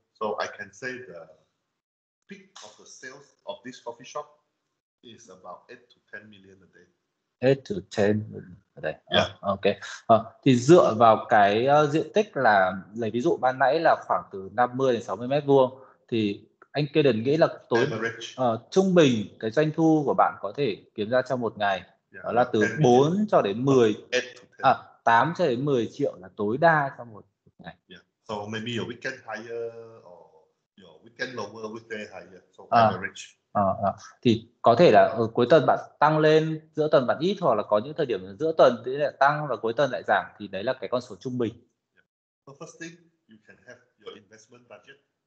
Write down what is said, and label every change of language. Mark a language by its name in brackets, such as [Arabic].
[English] So I can say the peak of the sales of this coffee shop is about 8 to 10 million a day. 8 to 10 đây. Yeah. Ok. [Vietnamese] Thì dựa vào cái diện tích là lấy ví dụ ban nãy là khoảng từ 50 đến 60 mét vuông, thì anh Kaden nghĩ là tối trung bình cái doanh thu của bạn có thể kiếm ra trong một ngày đó là từ 4 cho đến 10 à 8 cho đến 10 triệu là tối đa trong một ngày. [English] Yeah. So maybe your weekend higher or your weekend lower, weekday higher. So average. [Vietnamese] Thì có thể là ở cuối tuần bạn tăng lên, giữa tuần bạn ít, hoặc là có những thời điểm giữa tuần thì lại tăng và cuối tuần lại giảm, thì đấy là cái con số trung bình. [English] Yeah. So first thing, you can have your investment budget.